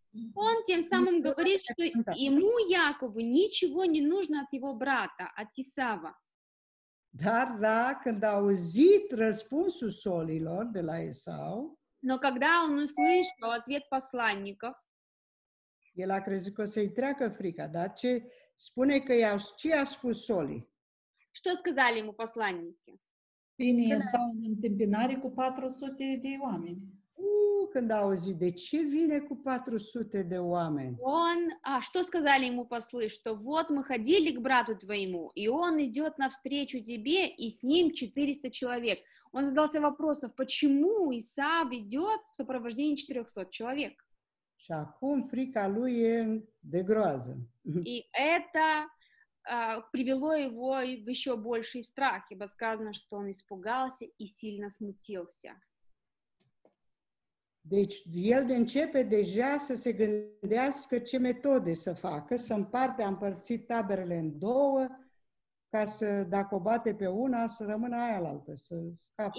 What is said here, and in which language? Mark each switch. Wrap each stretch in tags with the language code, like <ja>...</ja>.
<ru>Он тем самым говорит, что ему, Якову, ничего не нужно от его брата, от Исава.</ru> <ro>Dar da, când a auzit răspunsul solilor de la Esau,</ro> <ru>но когда он услышал ответ посланников,</ru> <ro>el a crezut că o să-i treacă frica, dar ce spune că i-a, ce i-a spus Soli?</ro> <ru>Что сказали ему посланники?</ru> <ro>Bine, el s-a în întâmpinare cu 400 de oameni. Când a auzit, de ce vine cu 400 de oameni?</ro> <ru>Он, а что сказали ему послы, что вот мы ходили к брату твоему, и он идет навстречу тебе, и с ним 400 человек. Он задался вопросом, почему Исав идет в сопровождении 400 человек?</ru> <ro>Și acum frica lui e de groază.</ro> <ru>И это привело его в еще больший страх, ибо сказано, что он испугался и сильно смутился.</ru> <ro>Deci el de începe deja să se gândească ce metode să facă, să împarte, a împărțit taberele în două, ca să, dacă o bate pe una, să rămână aia la altă, să scape.</ro>